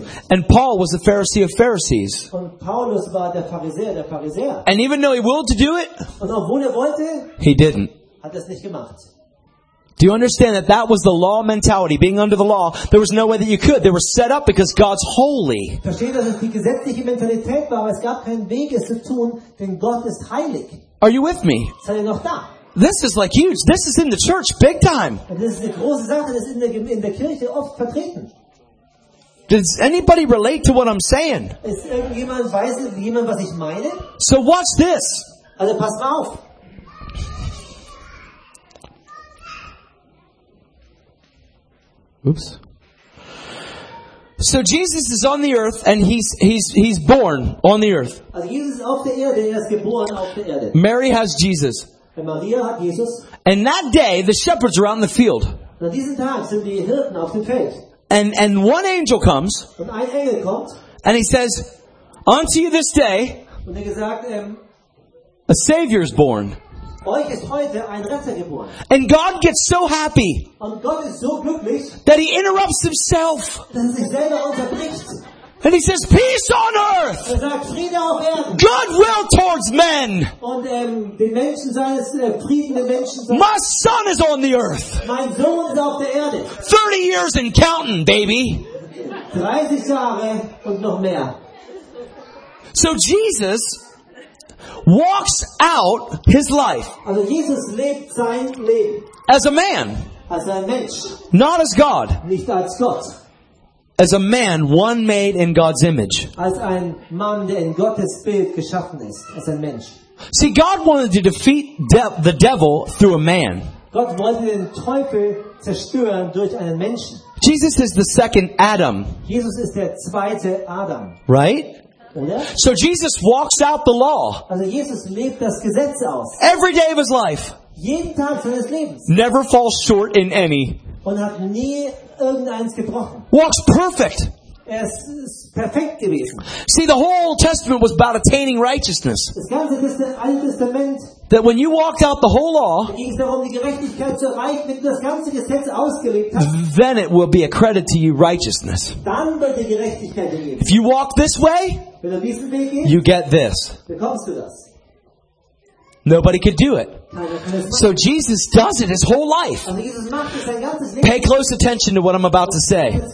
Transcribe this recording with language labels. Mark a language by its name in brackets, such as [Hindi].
[English] And Paul was a Pharisee of Pharisees. [German] Und Paulus war der Pharisäer, der Pharisäer. [English] And even though he willed to do it, [German] und obwohl er wollte, [English] he didn't. [German] Hat es nicht gemacht. [English] Do you understand that that was the law mentality? Being under the law, there was no way that you could. They were set up because God's holy. [German] Versteht, dass es die gesetzliche Mentalität war, aber es gab keinen Weg, es zu tun, denn Gott ist heilig. [English] Are you with me? [German] Seid ihr noch da? [English] This is like huge. This is in the church, big time. [German] Das ist eine große Sache, das ist in der Kirche oft vertreten. [English] Does anybody relate to what I'm saying? [German] Ist irgendjemand, weiß jemand, was ich meine? [English] So watch this. [German] Also pass auf. [English] Oops. So Jesus is on the earth and he's born on the earth. [German] Also Jesus ist auf der Erde, er ist geboren auf der Erde. [English] Mary has Jesus. [German] Maria hat Jesus. [English] And that day the shepherds are out in the field. [German] An diesem Tag sind die Hirten auf dem Feld. [English] And one angel comes, [German] und ein Engel kommt, [English] and he says, unto you this day, [German] und er gesagt, [English] a Savior is born. [German] Euch ist heute ein Retter geboren. [English] And God gets so happy, [German] und Gott ist so glücklich, [English] that he interrupts himself. [German] Dass er sich selber unterbricht. [English] And he says, peace on earth! [German] Er sagt, Friede auf Erden. [English] Goodwill towards men! [German] Und, den Menschen seines, Frieden, den Menschen seines. [English] My son is on the earth! [German] Mein Sohn ist auf der Erde. [English] 30 years and counting, baby! [German] 30 Jahre und noch mehr. [English] So Jesus walks out his life. [German] Also Jesus lebt sein Leben. [English] As a man. [German] Als ein Mensch. [English] Not as God. [German] Nicht als Gott. [English] As a man, one made in God's image. [German] Als ein Mann, der in Gottes Bild geschaffen ist, als ein Mensch. [English] See, God wanted to defeat the devil through a man. [German] Gott wollte den Teufel zerstören durch einen Menschen. [English] Jesus is the second Adam. [German] Jesus ist der zweite Adam. [English] Right? [German] Oder? [English] So Jesus walks out the law. [German] Also Jesus lebt das Gesetz aus. [English] Every day of his life. [German] Jeden Tag seines Lebens. [English] Never falls short in any. [German] Und hat nie irgendeins gebrochen. [English] Walks perfect. [German] Er ist perfekt gewesen. [English] See, the whole Old Testament was about attaining righteousness. [German] Das ganze Alte Testament. [English] That when you walked out the whole law, [German] ging es darum, die Gerechtigkeit zu erreichen, wenn du das ganze Gesetz ausgelebt hast. [English] Then it will be a credit to you, righteousness. [German] Dann wird die Gerechtigkeit dir geben. [English] If you walk this way, [German] wenn du diesen Weg gehst, [English] you get this. [German] Bekommst du das. [English] Nobody could do it. So Jesus does it his whole life. Pay close attention to what I'm about to say.